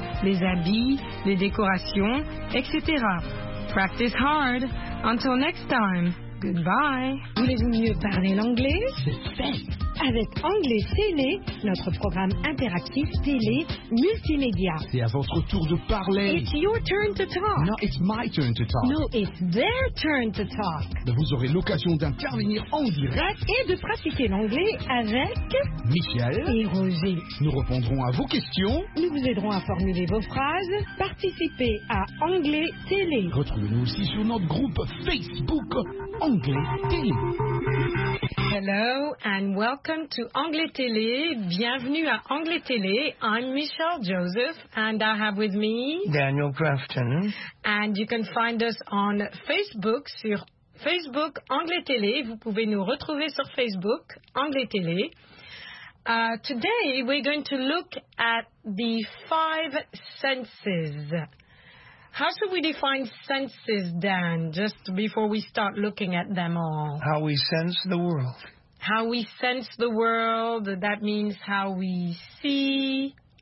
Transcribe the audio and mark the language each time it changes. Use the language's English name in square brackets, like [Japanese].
[French] Les habits, les décorations, etc. [English] Practice hard. Until next time. Goodbye. [French] Voulez-vous mieux parler l'anglais? Super. Avec Anglais Télé, notre programme interactif télé multimédia. C'est à votre tour de parler. [English] It's your turn to talk. No, it's my turn to talk. No, it's their turn to talk. [French] Vous aurez l'occasion d'intervenir en direct et de pratiquer l'anglais avec Michel et Roger. Nous répondrons à vos questions. Nous vous aiderons à formuler vos phrases. Participez à Anglais Télé. Retrouvez-nous aussi sur notre groupe Facebook Anglais Télé. [English] Hello and welcome to Anglais Télé. [French] Bienvenue à Anglais Télé. [English] I'm Michelle Joseph and I have with me Daniel Grafton. And you can find us on Facebook, [French] sur Facebook Anglais Télé. Vous pouvez nous retrouver sur Facebook Anglais Télé. [English] Today we're going to look at the five senses. How should we define senses, Dan, just before we start looking at them all? How we sense the world. How we sense the world, that means how we see.